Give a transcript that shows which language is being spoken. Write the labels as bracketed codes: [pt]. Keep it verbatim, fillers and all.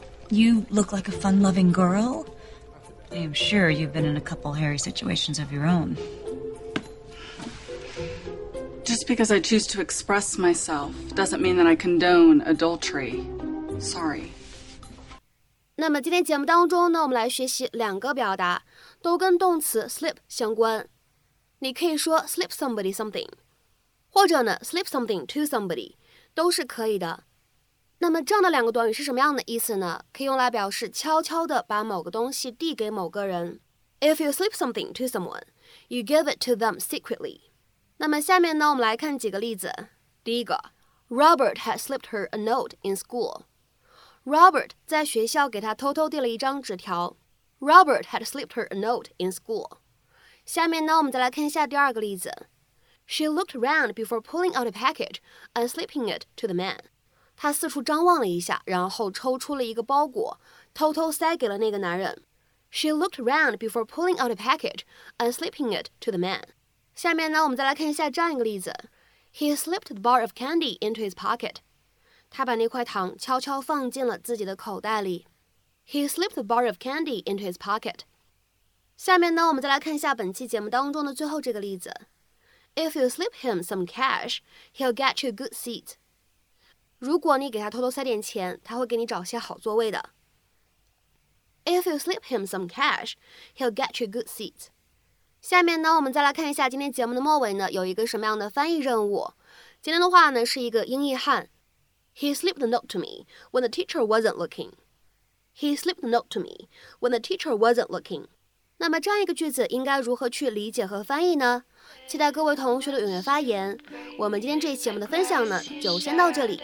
[en] You look like a fun-loving girl. I am sure you've been in a couple hairy situations of your own. Just because I choose to express myself doesn't mean that I condone adultery. Sorry. [zh] 那么今天节目当中呢，我们来学习两个表达，都跟动词 slip 相关。你可以说 [en] slip somebody something。 [zh] 或者呢 [en] slip something to somebody [zh] 都是可以的。那么这样的两个短语是什么样的意思呢？可以用来表示悄悄地把某个东西递给某个人。 [en] If you slip something to someone, you give it to them secretly. [zh] 那么下面呢，我们来看几个例子。第一个 [en] Robert had slipped her a note in school. [zh] Robert 在学校给他偷偷递了一张纸条。 [en] Robert had slipped her a note in school. [zh] 下面呢，我们再来看一下第二个例子。 [en] She looked around before pulling out a package and slipping it to the man. [zh] 她四处张望了一下，然后抽出了一个包裹，偷偷塞给了那个男人。 [en] She looked around before pulling out a package and slipping it to the man. [zh] 下面呢，我们再来看一下这样一个例子。 [en] He slipped the bar of candy into his pocket. [zh] 他把那块糖悄悄放进了自己的口袋里。 [en] He slipped the bar of candy into his pocket. [zh] 下面呢，我们再来看一下本期节目当中的最后这个例子。 [en] If you slip him some cash, he'll get you a good seat. [zh] 如果你给他偷偷塞点钱，他会给你找些好座位的。 [en] If you slip him some cash, he'll get you a good seat. [zh] 下面呢，我们再来看一下今天节目的末尾呢，有一个什么样的翻译任务。今天的话呢，是一个英译汉。 [en] He slipped the note to me when the teacher wasn't looking. He slipped the note to me when the teacher wasn't looking. [zh] 那么这样一个句子应该如何去理解和翻译呢？期待各位同学的踊跃发言。我们今天这一期节目的分享呢，就先到这里。